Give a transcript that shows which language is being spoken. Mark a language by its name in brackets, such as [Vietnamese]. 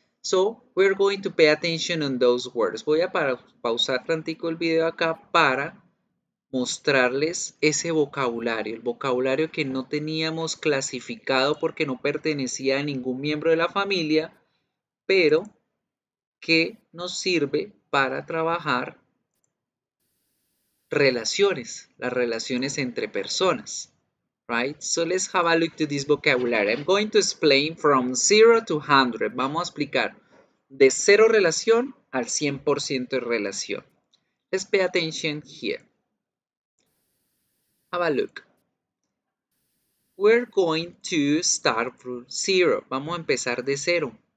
[English] So, we're going to pay attention on those words. [Spanish] Voy a pausar tantico el video acá para mostrarles ese vocabulario, el vocabulario que no teníamos clasificado porque no pertenecía a ningún miembro de la familia, pero que nos sirve para trabajar relaciones, las relaciones entre personas. [English] Right, so let's have a look to this vocabulary. I'm going to explain from 0 to 100. [Spanish] Vamos a explicar de 0 relación al 100% de relación. [English] Let's pay attention here. Have a look. We're going to start from 0. [Spanish] Vamos a empezar de 0.